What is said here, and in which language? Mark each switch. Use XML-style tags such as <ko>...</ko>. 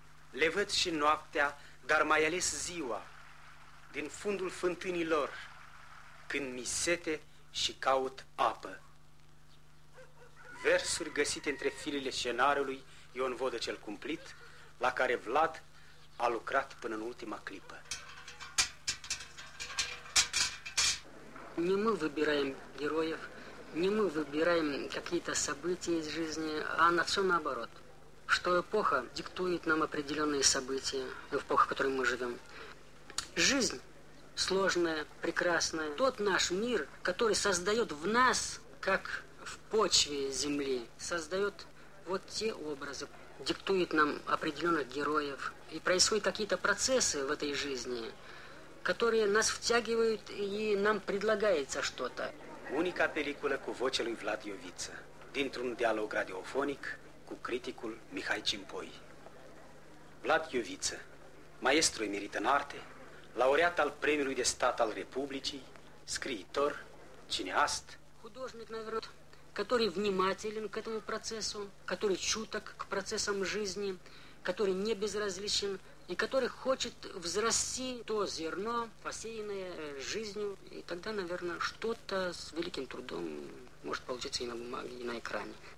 <ro>Le văd și noaptea, dar mai ales ziua, din fundul fântânii lor, când mi sete și caut apă. Versuri găsite între filele scenarului Ion Vodă cel cumplit, la care Vlad a lucrat până în ultima clipă.</ro> <ru>Не мы выбираем героев, не мы выбираем какие-то события из жизни, а на все наоборот. Что эпоха диктует нам определенные события, эпоха, в которой мы живем. Жизнь сложная, прекрасная. Тот наш мир, который создает в нас, как в почве земли, создает вот те образы, диктует нам определенных героев. И происходят какие-то процессы в этой жизни, которые нас втягивают и нам предлагается что-то.</ru> <ro>Уника пеликула cu vocea lui Vlad Ioviță, dintr-un dialog radiofonic cu criticul Mihai Cimpoi. Vlad Ioviță, maestru emerit în arte, laureat al premiului de stat al Republicii, scriitor, cineast.</ro> <ru>Художник, наверное, который внимателен к этому процессу, который чуток к процессам жизни, который не безразличен и который хочет взрасти то зерно, посеянное жизнью, и тогда, наверное, что-то с великим трудом может получиться и на бумаге, и на экране.</ru>